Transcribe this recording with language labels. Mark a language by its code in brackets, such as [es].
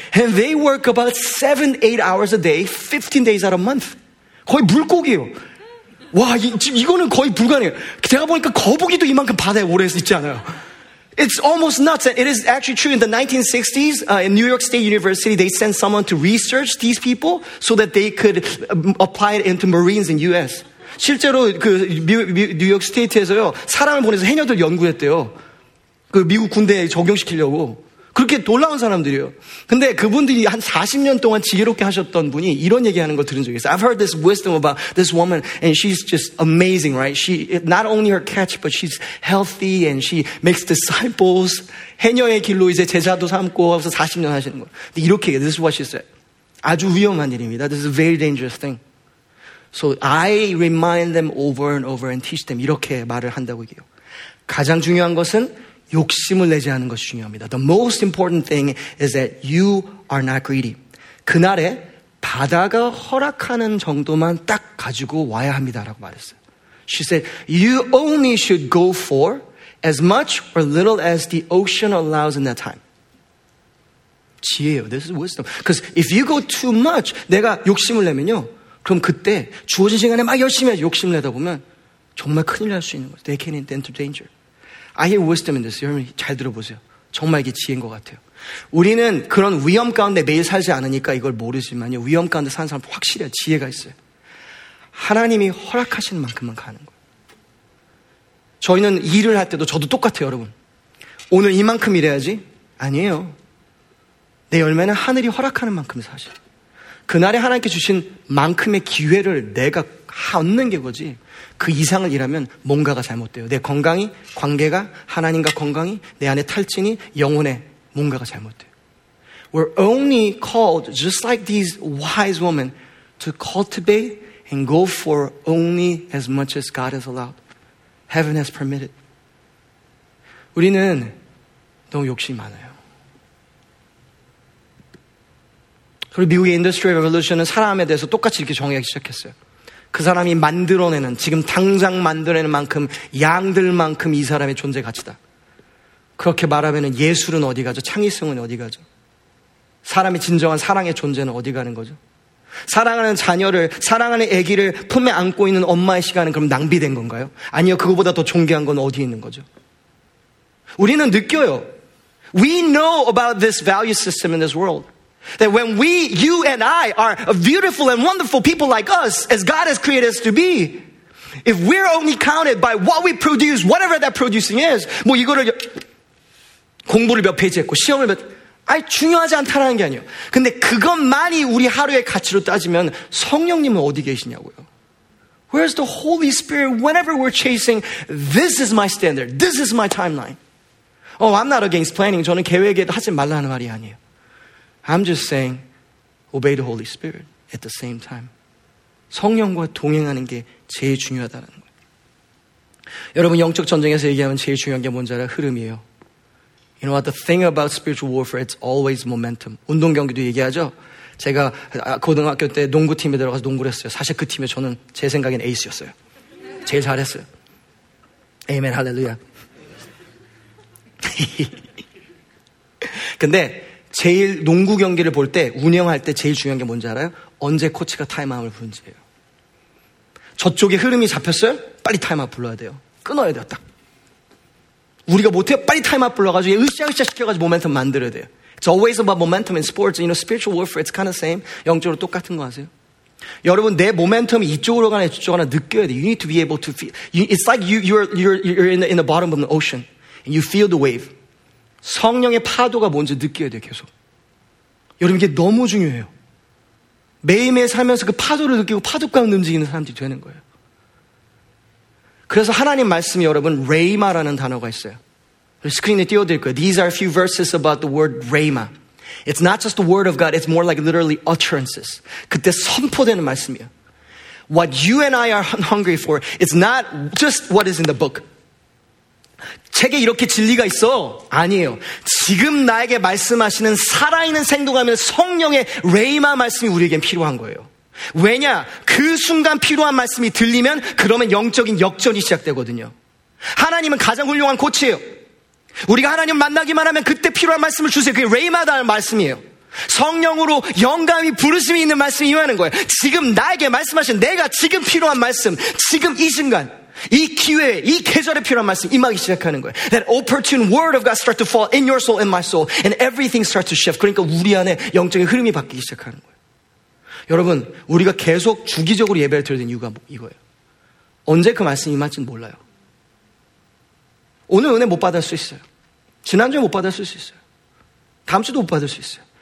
[en] And they work about 7, 8 hours a day, 15 days out a month. [ko] 거의 물고기예요. 와, 지금 이거는 거의 불가능해요. 제가 보니까 거북이도 이만큼 바다에 오래 있지 않아요. [en] It's almost nuts. It is actually true. In the 1960s, in New York State University, they sent someone to research these people so that they could apply it into Marines in U.S. [ko] 실제로 그 뉴욕 스테이트에서요, 사람을 보내서 해녀들 연구했대요. 그 미국 군대에 적용시키려고. 그렇게 놀라운 사람들이에요. 근데 그분들이 한 40년 동안 지혜롭게 하셨던 분이 이런 얘기하는 걸 들은 적이 있어요. [en] I've heard this wisdom about this woman and she's just amazing, right? She, not only her catch, but she's healthy and she makes disciples. [ko] 해녀의 길로 이제 제자도 삼고 와서 40년 하시는 거. 근데 이렇게, [en] this is what she said. [ko] 아주 위험한 일입니다. [en] This is a very dangerous thing. So I remind them over and over and teach them. [ko] 이렇게 말을 한다고 얘기해요. 가장 중요한 것은 욕심을 내지 않는 것이 중요합니다. [en] The most important thing is that you are not greedy. [ko] 그날에 바다가 허락하는 정도만 딱 가지고 와야 합니다라고 말했어요. [en] She said, you only should go for as much or little as the ocean allows in that time. [ko] 지혜예요. [en] This is wisdom. Because if you go too much, [ko] 내가 욕심을 내면요. 그럼 그때 주어진 시간에 막 열심히 욕심을 내다 보면 정말 큰일 날 수 있는 거예요. [en] They can enter danger. I hear wisdom in this. [ko] 여러분 잘 들어보세요. 정말 이게 지혜인 것 같아요. 우리는 그런 위험 가운데 매일 살지 않으니까 이걸 모르지만요. 위험 가운데 사는 사람 확실히 지혜가 있어요. 하나님이 허락하신 만큼만 가는 거예요. 저희는 일을 할 때도 저도 똑같아요 여러분. 오늘 이만큼 일해야지? 아니에요. 내 열매는 하늘이 허락하는 만큼 사실. 그날에 하나님께 주신 만큼의 기회를 내가 얻는 게 거지. 그 이상을 일하면 뭔가가 잘못돼요. 내 건강이, 관계가, 하나님과 건강이, 내 안에 탈진이, 영혼에 뭔가가 잘못돼요. [en] We're only called, just like these wise women, to cultivate and go for only as much as God has allowed, heaven has permitted. [ko] 우리는 너무 욕심이 많아요. 그리고 미국의 인더스트리얼 레볼루션은 사람에 대해서 똑같이 이렇게 정의하기 시작했어요. 그 사람이 만들어내는, 지금 당장 만들어내는 만큼 양들만큼 이 사람의 존재 가치다. 그렇게 말하면 예술은 어디 가죠? 창의성은 어디 가죠? 사람이 진정한 사랑의 존재는 어디 가는 거죠? 사랑하는 자녀를, 사랑하는 아기를 품에 안고 있는 엄마의 시간은 그럼 낭비된 건가요? 아니요, 그거보다 더 존귀한 건 어디 있는 거죠? 우리는 느껴요. [en] We know about this value system in this world. That when we, you and I, are beautiful and wonderful people like us, as God has created us to be, if we're only counted by what we produce, whatever that producing is, [ko] 뭐 이거를 공부를 몇 페이지 했고, 시험을 몇, 아니, 중요하지 않다라는 게 아니에요. 근데 그것만이 우리 하루의 가치로 따지면 성령님은 어디 계시냐고요. [en] Where's the Holy Spirit whenever we're chasing, this is my standard, this is my timeline. Oh, I'm not against planning. [ko] 저는 계획에 하지 말라는 말이 아니에요. [en] I'm just saying, obey the Holy Spirit at the same time. [ko] 성령과 동행하는 게 제일 중요하다는 거예요. 여러분, 영적 전쟁에서 얘기하면 제일 중요한 게 뭔지 알아요? 흐름이에요. [en] You know what? The thing about spiritual warfare, it's always momentum. [ko] 운동 경기도 얘기하죠? 제가 고등학교 때 농구팀에 들어가서 농구를 했어요. 사실 그 팀에 저는 제 생각엔 에이스였어요. 제일 잘했어요. 에이멘, 할렐루야. 근데 제일 농구 경기를 볼 때, 운영할 때 제일 중요한 게 뭔지 알아요? 언제 코치가 타임아웃을 부른지예요. 저쪽에 흐름이 잡혔어요? 빨리 타임아웃 불러야 돼요. 끊어야 돼요, 딱. 우리가 못해요? 빨리 타임아웃 불러가지고 으쌰으쌰 시켜가지고 모멘텀 만들어야 돼요. [en] It's always about momentum in sports. You know, spiritual warfare, it's kind of same. [ko] 영적으로 똑같은 거 아세요? 여러분, 내 모멘텀이 이쪽으로 가나 저쪽으로 가나 느껴야 돼요. [en] You need to be able to feel. It's like you're in the bottom of an ocean. And you feel the wave. [ko] 성령의 파도가 뭔지 느껴야 돼요, 계속. 여러분, 이게 너무 중요해요. 매일매일 살면서 그 파도를 느끼고 파도감을 움직이는 사람들이 되는 거예요. 그래서 하나님 말씀이 여러분, 레이마라는 단어가 있어요. 스크린에 띄워드릴 거예요. [en] These are a few verses about the word rhema. It's not just the word of God, it's more like literally utterances. [ko] 그때 선포되는 말씀이에요. [en] What you and I are hungry for, it's not just what is in the book. [ko] 책에 이렇게 진리가 있어? 아니에요. 지금 나에게 말씀하시는 살아있는 생동하면 성령의 레이마 말씀이 우리에겐 필요한 거예요. 왜냐? 그 순간 필요한 말씀이 들리면 그러면 영적인 역전이 시작되거든요. 하나님은 가장 훌륭한 코치예요. 우리가 하나님 만나기만 하면 그때 필요한 말씀을 주세요. 그게 레이마다는 말씀이에요. 성령으로 영감이 부르심이 있는 말씀이 임하는 거예요. 지금 나에게 말씀하신 내가 지금 필요한 말씀, 지금 이 순간, 이 기회에, 이 계절에 필요한 말씀 임하기 시작하는 거예요. [en] That opportune word of God starts to fall in your soul, in my soul, and everything starts to shift. [ko] 그러니까 우리 안에 영적인 흐름이 바뀌기 시작하는 거예요. 여러분, 우리가 계속 주기적으로 예배를 드려야 되는 이유가 이거예요. 언제 그 말씀이 임할지는 몰라요. 오늘 은혜 못 받을 수 있어요. 지난주에 못 받을 수 있어요. 다음 주도 못 받을 수 있어요.